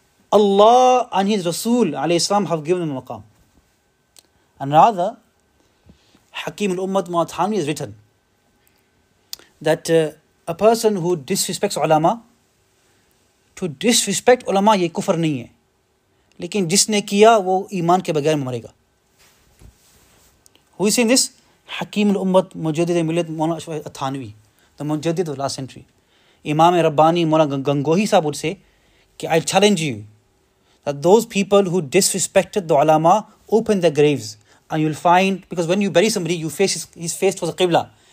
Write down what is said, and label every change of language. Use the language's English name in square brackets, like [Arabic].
[English] Allah and His Rasul alayhi salam have given them a maqam. And rather, Hakim al-Ummat Mu'adh Thani has written that a person who disrespects ulama, to disrespect ulama, [Hindi] ये कुफ़्र नहीं है. लेकिन जिसने किया, वो ईमान के बग़ैर मरेगा. [English] Who is saying this? Hakim al-Ummat, Mujaddid al-Millat, Mawlana Yousaf Baig D.B, the Mujaddid of the last century. Imam Rabbani, Mawlana Gangohi sahab would say, ki I challenge you, that those people who disrespected the ulama, open their graves. And you'll find, because when you bury somebody, you face his face towards the Qibla.